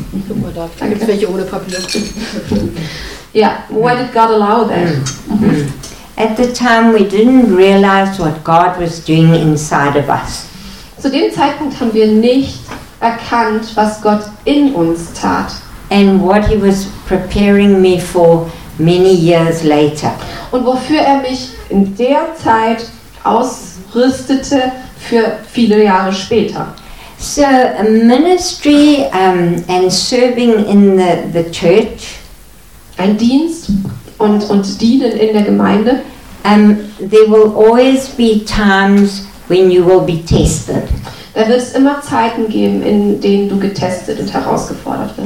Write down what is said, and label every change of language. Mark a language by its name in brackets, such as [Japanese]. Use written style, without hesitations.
[German] Guck mal da, da gibt es welche ohne Papier. [English] Ja, yeah. Why did God allow that? At the time we didn't realize what God was doing inside of us. [German] Zu dem Zeitpunkt haben wir nicht erkannt, was Gott in uns tat. [English] And what he was preparing me for many years later. [German] Und wofür er mich in der Zeit ausrüstete für viele Jahre später. [English] So ministry and serving in the church, [German] ein Dienst und dienen in der Gemeinde, [English] there will always be times when you will be tested. [German] Da wird es immer Zeiten geben, in denen du getestet und herausgefordert wirst.